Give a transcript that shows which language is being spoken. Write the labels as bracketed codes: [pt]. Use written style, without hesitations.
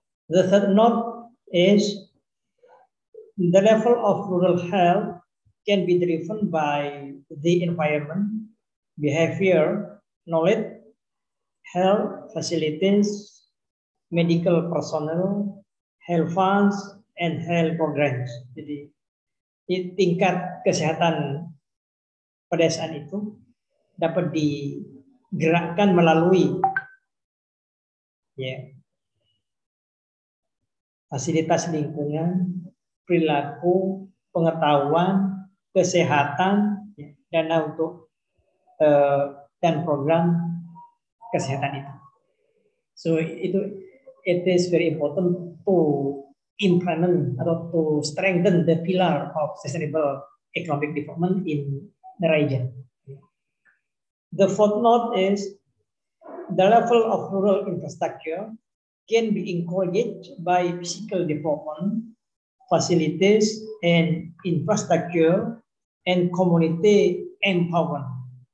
[en] The third note is the level of rural health can be driven by the environment, behavior, knowledge, health facilities, medical personnel, health funds, and health programs. [id] Jadi tingkat kesehatan pedesaan itu dapat digerakkan melalui fasilitas lingkungan, perilaku, pengetahuan, kesehatan, dana untuk dan program kesehatan itu. [en] So itu it is very important to implement atau to strengthen the pillar of sustainable economic development in the region. The fourth note is the level of rural infrastructure can be encouraged by physical development, facilities and infrastructure, and community empowerment.